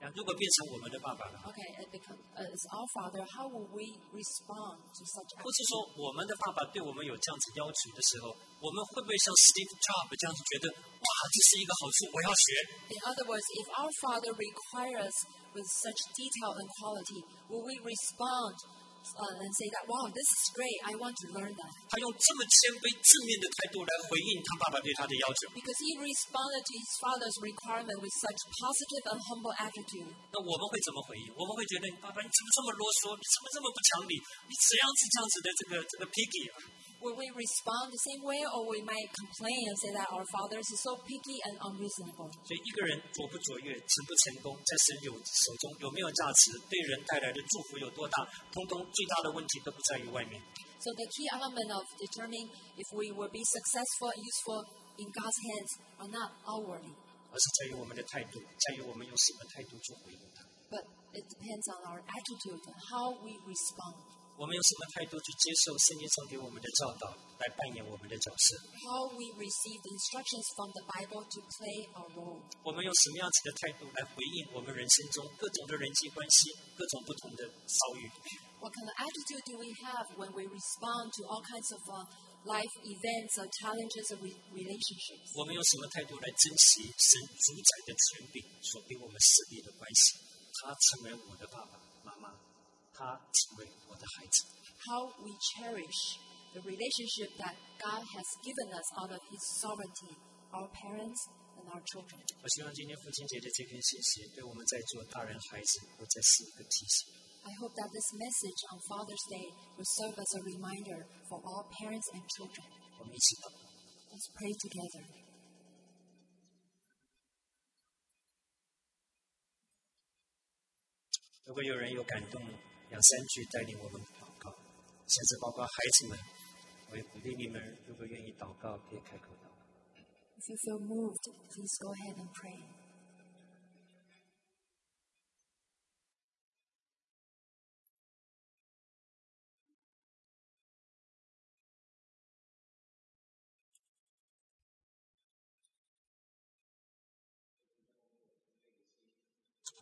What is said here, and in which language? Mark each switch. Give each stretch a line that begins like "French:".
Chinese: 如果变成我们的爸爸呢
English: ？Okay, it becomes as our father. How will we respond to such?
Chinese: 或是说，我们的爸爸对我们有这样子要求的时候，我们会不会像 Steve Jobs 这样子觉得，哇，这是一个好处，我要学
English: ？In other words, if our father requires with such detail and quality, will we respond, and say that, wow, this is great. I want to learn that.
Chinese: 他用这么谦卑、正面的态度来回应他爸爸对他的要求。
English: Because he responded to his father's requirement with such positive and humble attitude.
Chinese: 那我们会怎么回应？我们会觉得，爸爸，你怎么这么啰嗦？你怎么这么不讲理？你怎样子这样子的这个 picky？
English: Will we respond the same way, or we might complain and say that our father is so picky and unreasonable?
Chinese: 所以一个人卓不卓越、成不成功，在神有手中有没有价值，对人带来的祝福有多大，通通最大的问题都不在于外面。
English: So the key element of determining if we will be successful and useful in God's hands are not outwardly.
Chinese: 而是在于我们的态度，在于我们用什么态度做回应他。
English: But it depends on our attitude and how we respond.
Chinese: 我们用什么态度去接受圣经上给我们的教导，来扮演我们的角色
English: ？How we receive the instructions from the Bible to play our role？
Chinese: 我们用什么样子的态度来回应我们人生中各种的人际关系、各种不同的遭遇
English: ？What kind of attitude do we have when we respond to all kinds of life events or challenges or relationships？
Chinese: 我们用什么态度来珍惜神主宰的权柄所给我们设立的关系？他成为我的爸爸妈妈。他成为我的孩子。
English: How we cherish the relationship that God has given us out of His sovereignty, our parents and our children.
Chinese: 我希望今天父亲节的这篇信息对我们在座大人孩子都再是一个提醒。
English: I hope that this message on Father's Day will serve as a reminder for all parents and children.
Chinese: 我们一起祷告。
English: Let's pray together.
Chinese: 如果有人有感动。两三句带领我们祷告，甚至包括孩子们，我也鼓励你们，如果愿意祷告，可以开口祷告。
English: If you feel moved, please go ahead and pray.